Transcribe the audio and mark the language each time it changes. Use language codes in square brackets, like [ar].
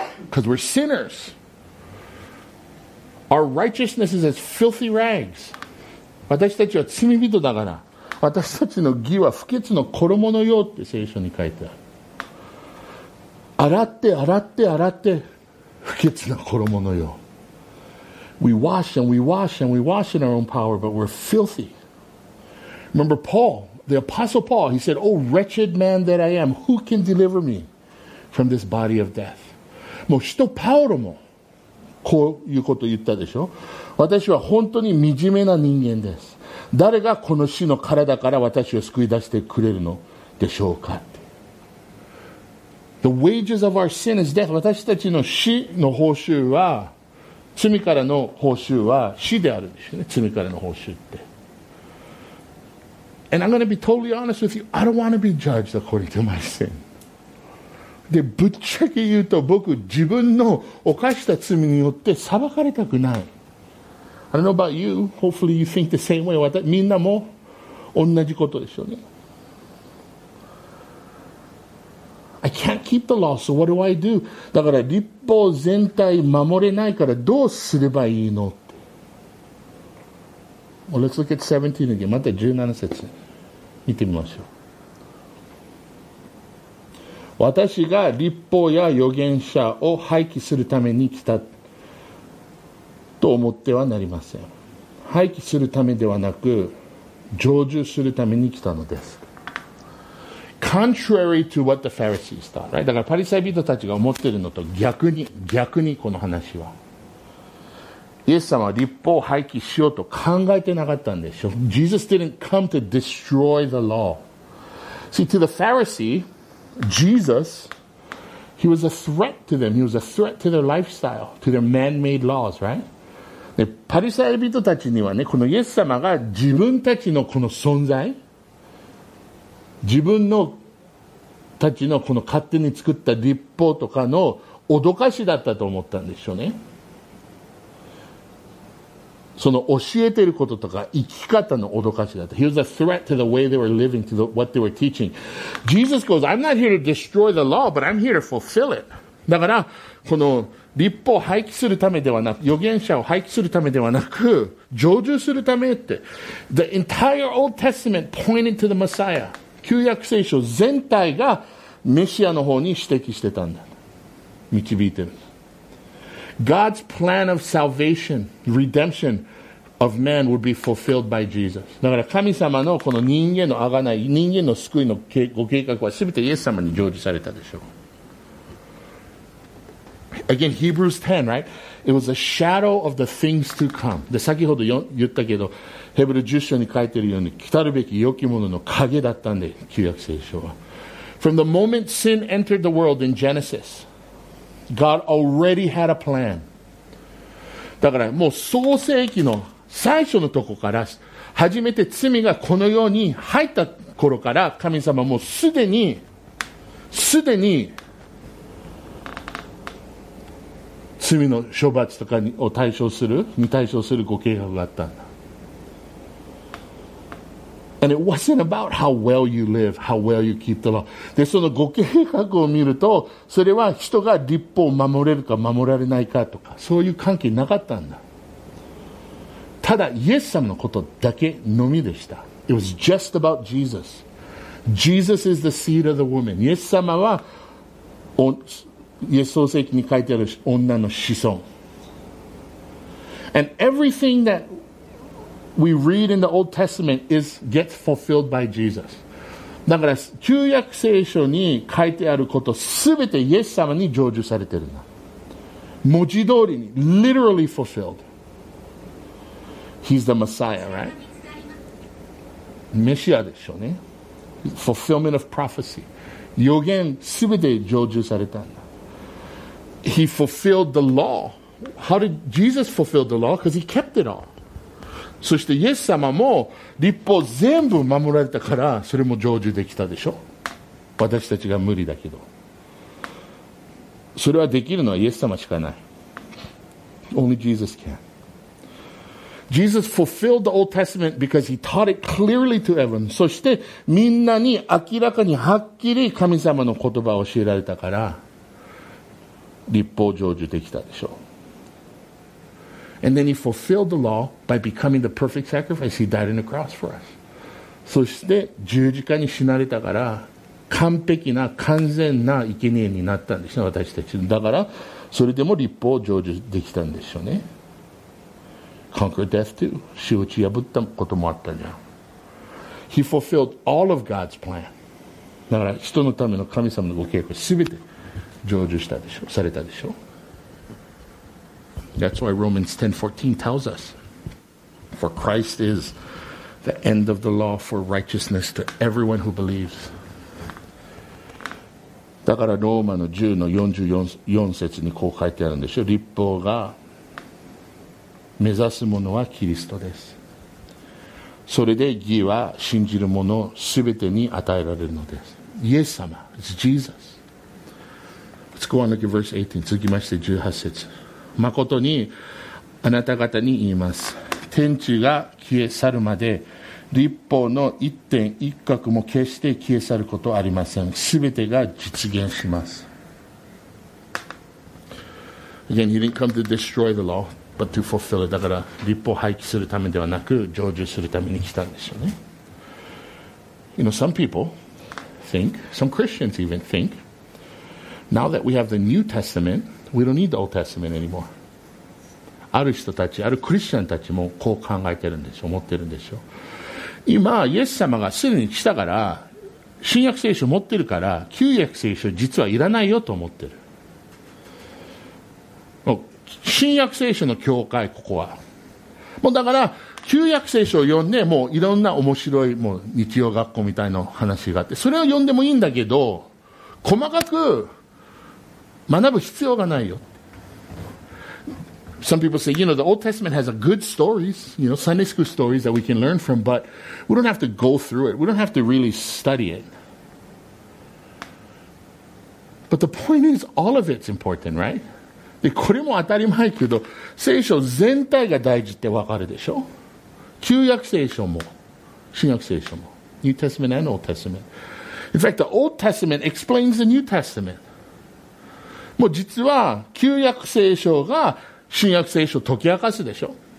[en] Because we're sinners. Our righteousness is as filthy rags. [ja] 私たちは罪人だから、私たちの義は不潔の衣のようって聖書に書いてある。洗って、洗って、洗って、不潔な衣のよう。 [en] We wash and we wash and we wash in our own power, but we're filthy. Remember Paul, the apostle Paul, he said, Oh wretched man that I am, who can deliver me from this body of death? [ja] もう使徒パウロもこういうこと言ったでしょ。私は本当に惨めな人間です。誰がこの死の体から私を救い出してくれるのでしょうか。 [en] The wages of our sin is death. [ja] 私たちの死の報酬は、罪からの報酬は死であるんですよね。罪からの報酬って。 [en] And I'm going to be totally honest with you. I don't want to be judged according to my sin. [ja] で、ぶっちゃけ言うと僕、自分の犯した罪によって裁かれたくない。 [en] I don't know about you. Hopefully you think the same way. [ja] みんなも同じことでしょうね。 [en] I can't keep the law, so what do I do? [ja] だから律法全体守れないからどうすればいいのって。 [en] Well, let's look at 17 again. [ja] また17節見てみましょう。私が律法や預言者を廃棄するために来たと思ってはなりません。廃棄するためではなく、成就するために来たのです。 [en] Contrary to what the Pharisees thought, right? [ja] だからパリサイ人たちが思ってるのと逆にこの話は、イエス様は律法を廃棄しようと考えてなかったんでしょ。 [en] Jesus didn't come to destroy the law. See, to the Pharisee, Jesus, he was a threat to them. He was a threat to their lifestyle, to their man-made laws, right? [ja] でパリサイ人たちにはね、このイエス様が自分たちのこの存在、自分のたちのこの勝手に作った律法とかの脅かしだったと思ったんでしょうね。その教えてることとか生き方の脅かしだった。 [en] He was a threat to the way they were living, to what they were teaching. Jesus goes, I'm not here to destroy the law, but I'm here to fulfill it. [ja] だから、この律法を廃棄するためではなく、預言者を廃棄するためではなく、成就するためって。 [en] The entire Old Testament pointed to the Messiah. [ja] 旧約聖書全体がメシアの方に指摘してたんだ。導いてる。 [en] God's plan of salvation, redemption of man would be fulfilled by Jesus. [ja] だから神様のこの人間の贖い、人間の救いのご計画は全てイエス様に成就されたでしょう。 [en] Again, Hebrews 10, right? It was a shadow of the things to come. [ja] で、先ほど言ったけど、ヘブル10章に書いてるように、来たるべき良きものの影だったんで、旧約聖書は。 [en] From the moment sin entered the world in Genesis, God already had a plan. [ja] だからもう創世記の最初のとこから、初めて罪がこの世に入った頃から、神様もうすでに、罪の処罰とかを対象するに対象するご計画があったんだ。 [en] And it wasn't about how well you live, how well you keep the law. [ja] で、そのご計画を見ると、それは人が律法を守れるか守られないかとか、そういう関係なかったんだ。ただイエス様のことだけのみでした。 [en] It was just about Jesus. Jesus is the seed of the woman. [ja] イエス様はイエス創世記に書いてある女の子孫。 [en] And everything that we read in the Old Testament is gets fulfilled by Jesus. [ja] だから旧約聖書に書いてあることすべてイエス様に成就されてるんだ。文字通りに [en] literally fulfilled. He's the Messiah, right? [ja] メシアでしょうね。 [en] Fulfillment of prophecy. [ja] 予言すべて成就されたんだ。 [en] He fulfilled the law. How did Jesus fulfill the law? Because he kept it all. [ja] そしてイエス様も律法全部守られたからそれも成就できたでしょ。私たちが無理だけど。それはできるのはイエス様しかない。 [en] Only Jesus can. Jesus fulfilled the Old Testament because he taught it clearly to everyone. [ja] そしてみんなに明らかにはっきり神様の言葉を教えられたから律法成就できたでしょう。 [en] And then he fulfilled the law by becoming the perfect sacrifice. He died on the cross for us. [ja] そして十字架に死なれたから完璧な完全な生贄になったんですね、私たち。だからそれでも律法を成就できたんでしょうね。 [en] Conquer death too. [ja] 死を打ち破ったこともあったじゃん。 [en] He fulfilled all of God's plan. [ja] だから人のための神様のご計画すべて成就したでしょう、されたでしょう。 [en] That's why Romans 10:14 tells us, For Christ is the end of the law for righteousness to everyone who believes. [ja] だからローマの10の44節にこう書いてあるんでしょう。律法が目指すものはキリストです。それで義は信じる者全てに与えられるのです。 [en] イエス様、It's Jesus. Let's go on to verse 18. [ja] 続きまして18節。誠にあなた方に言います、天地が消え去るまで律法の一点一角も決して消え去ることはありません、すべてが実現します。 [en] Again, he didn't come to destroy the law but to fulfill it. [ja] だから律法を廃棄するためではなく成就するために来たんですよね。 [en] You know, some people think, some Christians even think, now that we have the New Testament,We don't need the Old Testament anymore. [ja] ある人たち、あるクリスチャンたちもこう考えてるんでしょ、思ってるんでしょ。今イエス様がすでに来たから、新約聖書持ってるから旧約聖書実はいらないよと思ってる。もう新約聖書の教会、ここはもうだから旧約聖書を読んで、もういろんな面白いもう日曜学校みたいな話があって、それを読んでもいいんだけど細かく学ぶ必要がないよ。 [en] Some people say, you know, the Old Testament has a good stories, you know, Sunday school stories that we can learn from, but we don't have to go through it. We don't have to really study it. But the point is, all of it's important, right? [ja] で、これも当たり前けど、聖書全体が大事ってわかるでしょ？旧約聖書も、新約聖書も、 [en] New Testament and Old Testament. In fact, the Old Testament explains the New Testament. [ja] もう実は旧約聖書が新約聖書を解き明かすでしょ。